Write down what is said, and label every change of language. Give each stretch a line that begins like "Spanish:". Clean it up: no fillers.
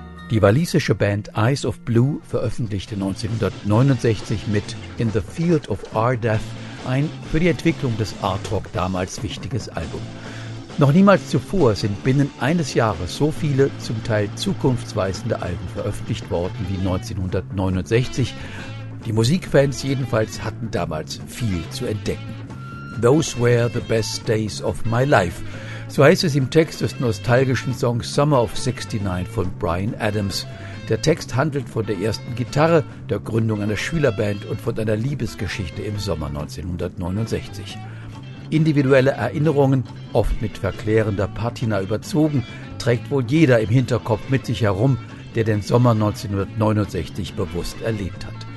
German: Die walisische Band Eyes of Blue veröffentlichte 1969 mit In the Field of R-Death ein für die Entwicklung des Art-Rock damals wichtiges Album. Noch niemals zuvor sind binnen eines Jahres so viele, zum Teil zukunftsweisende Alben veröffentlicht worden wie 1969. Die Musikfans jedenfalls hatten damals viel zu entdecken.
English: Those were the best days of my life.
German: So heißt es im Text des nostalgischen Songs Summer of 69 von Bryan Adams. Der Text handelt von der ersten Gitarre, der Gründung einer Schülerband und von einer Liebesgeschichte im Sommer 1969. Individuelle Erinnerungen, oft mit verklärender Patina überzogen, trägt wohl jeder im Hinterkopf mit sich herum, der den Sommer 1969 bewusst erlebt hat.